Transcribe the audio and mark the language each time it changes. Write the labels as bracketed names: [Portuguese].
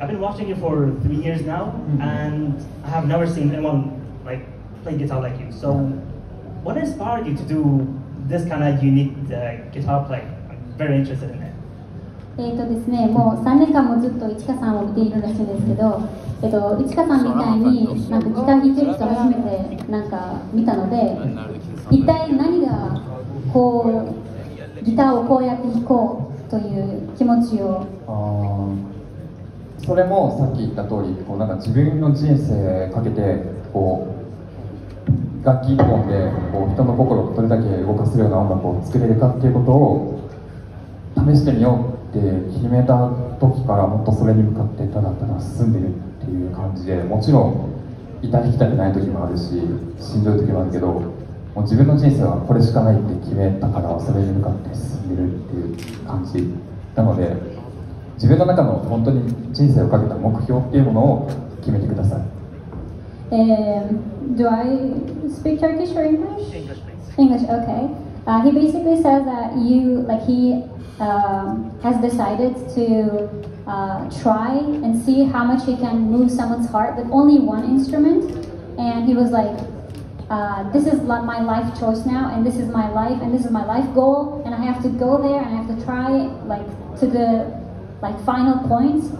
[English] I've been watching you for 3 years now, and I have never seen anyone like play guitar like you. So, what inspired you to do this kind of unique guitar play? I'm very interested in it. [Japanese] ですね、もう3年間もずっと市川さんを見ているらしいんですけど。市川さんみたいになんかギター弾いてる人初めてなんか見たので、一体何がこうギターをこうやって弾こうという気持ちを、あ、それもさっき言った通り、こうなんか自分の人生かけてこう楽器一本でこう人の心をどれだけ動かせるような音楽を作れるかっていうことを試してみようって決めた時から、もっとそれに向かってただただ進んでるいう感じで、もちろん至り来たくない時もあるし、しんどい時もあるけど、もう自分の人生はこれしかないって決めたから、それに向かって進んでるっていう感じなので、自分の中の本当に人生をかけた目標っていうものを決めてください。 [English] Do I speak Turkish or English? English, please. English, okay. He basically says that you, like he, has decided to try and see how much he can move someone's heart with only one instrument. And he was like, this is my life choice now, and this is my life, and this is my life goal, and I have to go there, and I have to try like to the like final point.